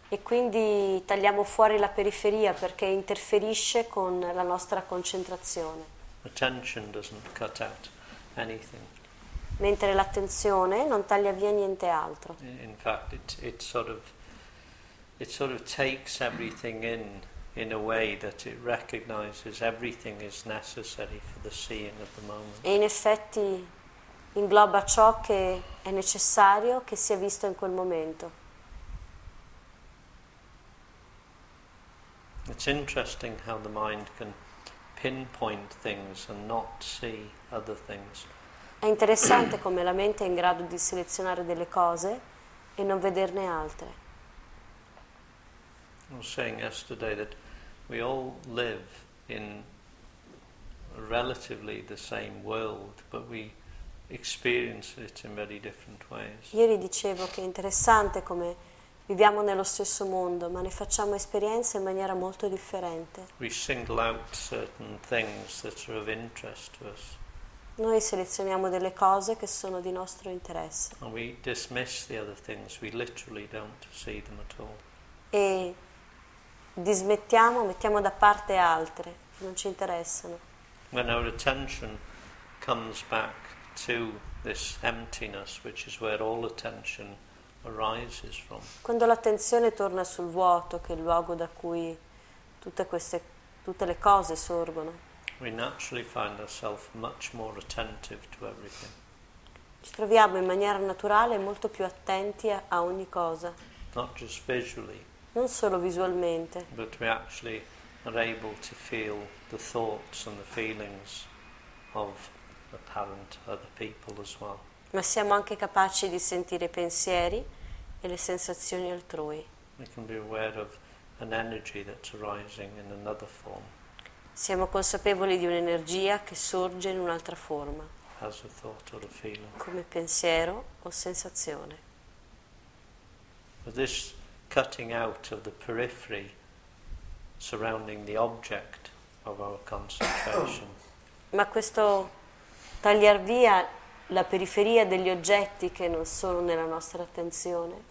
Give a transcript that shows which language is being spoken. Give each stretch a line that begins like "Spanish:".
Italian: E quindi tagliamo fuori la periferia perché interferisce con la nostra concentrazione.
English: Attention doesn't cut out anything.
Italian: Mentre l'attenzione non taglia via niente altro.
English: In fact, it sort of takes everything in a way that it recognizes everything is necessary for the seeing of the moment.
Italian: E in effetti ingloba ciò che è necessario che sia visto in quel momento.
English: It's interesting how the mind can pinpoint things and not see other things.
Italian: È interessante come la mente è in grado di selezionare delle cose e non vederne altre.
English: I was saying yesterday that we all live in relatively the same world, but we experience it in very different ways.
Italian: Ieri dicevo che è interessante come viviamo nello stesso mondo, ma ne facciamo esperienza in maniera molto differente.
English: We single out certain things that are of interest to us.
Italian: Noi selezioniamo delle cose che sono di nostro interesse.
English: And we dismiss the other things. We literally don't see them at all.
Italian: E dismettiamo, mettiamo da parte altre che non ci interessano.
English: When our attention comes back to this emptiness, which is where all attention arises from.
Italian: Quando l'attenzione torna sul vuoto, che è il luogo da cui tutte le cose sorgono,
English: we naturally find ourselves much more attentive to everything.
Italian: Ci troviamo in maniera naturale molto più attenti a ogni cosa.
English: Not just visually.
Italian: Non solo visualmente.
English: But we actually are able to feel the thoughts and the feelings of apparent other people as well.
Italian: Ma siamo anche capaci di sentire i pensieri e le sensazioni altrui.
English: We can be aware of an energy that's arising in another form.
Italian: Siamo consapevoli di un'energia che sorge in un'altra forma.
English: As a thought or a feeling.
Italian: Come pensiero o sensazione.
English: But this cutting out of the periphery surrounding the object of our concentration.
Italian: Ma questo tagliar via la periferia degli oggetti che non sono nella nostra attenzione.